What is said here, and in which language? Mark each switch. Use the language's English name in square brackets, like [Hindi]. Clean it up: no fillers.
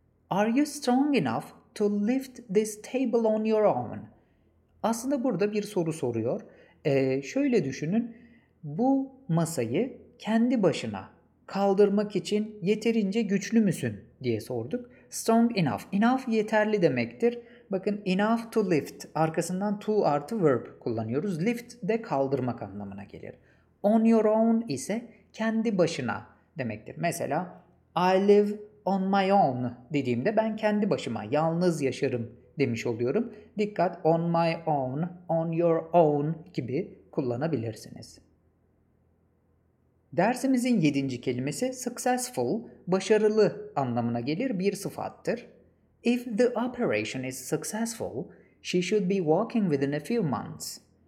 [English] Are you strong enough to lift this table on your own? [Turkish] Aslında burada bir soru soruyor. Şöyle düşünün, bu masayı kendi başına kaldırmak için yeterince güçlü müsün diye sorduk. [English] Strong enough. Enough [Turkish] yeterli demektir. Bakın [English] enough to lift. [Turkish] Arkasından to artı verb kullanıyoruz. Lift de kaldırmak anlamına gelir. On your own ise kendi başına demektir. Mesela [English] I live on my own [Turkish] dediğimde ben kendi başıma yalnız yaşarım demiş oluyorum. Dikkat, [English] on my own, on your own [Turkish] gibi kullanabilirsiniz. Dersimizin yedinci kelimesi successful, başarılı anlamına gelir, bir sıfattır. [English] If the operation is successful, she should be walking within a few months.